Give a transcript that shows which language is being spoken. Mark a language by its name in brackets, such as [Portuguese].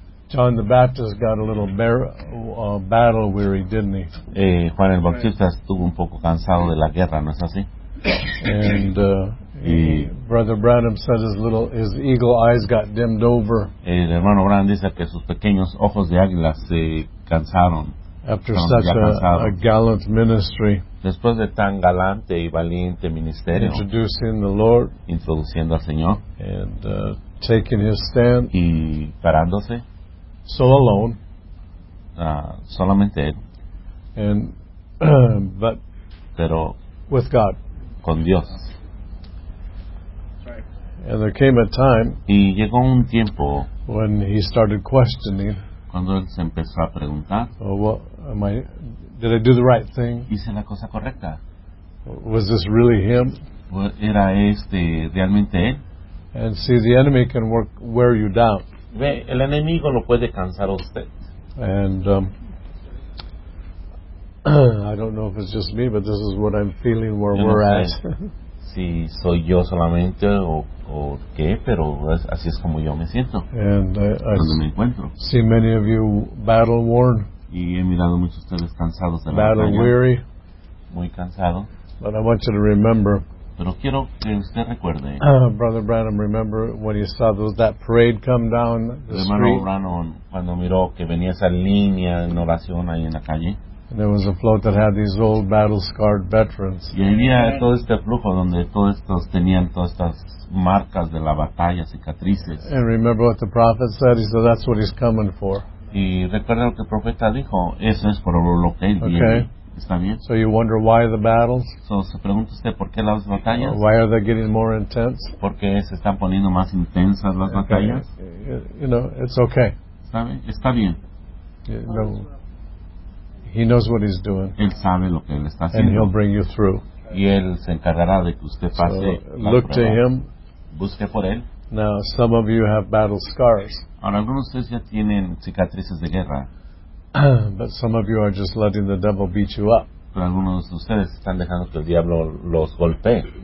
[English] John the Baptist got a little battle weary, didn't he? [Spanish] Juan el Bautista estuvo un poco cansado de la guerra, ¿no es así? [English] And Brother Branham said his eagle eyes got dimmed over. [Spanish] El hermano Branham dice que sus pequeños ojos de águila se cansaron. [English] After such a gallant ministry. [Spanish] Después de tan galante y valiente ministerio. [English] Introducing the Lord. [Spanish] Introduciendo al Señor. [English] And taking his stand. [Spanish] Y parándose. [English] So alone. [Spanish] Solamente él. [English] And but. [Spanish] Pero. [English] With God. [Spanish] Con Dios. [English] And there came a time [Spanish] y llegó un tiempo [English] when he started questioning. [Spanish] Cuando él se empezó a preguntar, [English] oh, well, did I do the right thing? [Spanish] Hice la cosa correcta. [English] Was this really him? [Spanish] ¿Era este realmente él? [English] And see, the enemy can work wear you down. [Spanish] Ve, el enemigo lo puede cansar a usted. [English] And I don't know if it's just me, but this is what I'm feeling where [Spanish] yo [English] we're [Spanish] no [English] at. [Spanish] Si soy yo solamente o qué, pero es, así es como yo me siento. [English] And [Spanish] cuando me encuentro. [English] See many of you battle worn. [Spanish] Y he mirado muchos de ustedes cansados de la [English] battle [Spanish] batalla. [English] Weary. [Spanish] Muy cansado. [English] But I want you to remember. [Spanish] Pero quiero que usted recuerde. [English] Brother Branham, remember when you saw that parade come down the [Spanish] hermano [English] street. [Spanish] Hermano Branham, cuando miró que venía esa línea en oración ahí en la calle. [English] And there was a float that had these old battle-scarred veterans. [Spanish] Y había todo este flujo donde todos estos tenían todas estas marcas de la batalla, cicatrices. [English] And remember what the prophet said. He said, that's what he's coming for. [Spanish] Y recuerda lo que el profeta dijo. Eso es por lo que él [English] viene. [Spanish] ¿Está bien? [English] So you wonder why the battles. [Spanish] So se pregunta usted por qué las batallas. [English] Or why are they getting more intense. [Spanish] ¿Por qué se están poniendo más intensas las batallas? [English] You know, it's okay. [Spanish] ¿Está bien? Está bien. [English] No. He knows what he's doing. [Spanish] Él sabe lo que él está haciendo. [English] And he'll bring you through. [Spanish] Y él se encargará de que usted pase. [English] So look to him. [Spanish] Busque por él. [English] Now, some of you have battle scars. [Spanish] Ahora, algunos de ustedes ya tienen cicatrices de guerra. [English] But some of you are just letting the devil beat you up. [Spanish] Pero algunos de ustedes están dejando que el diablo los golpee.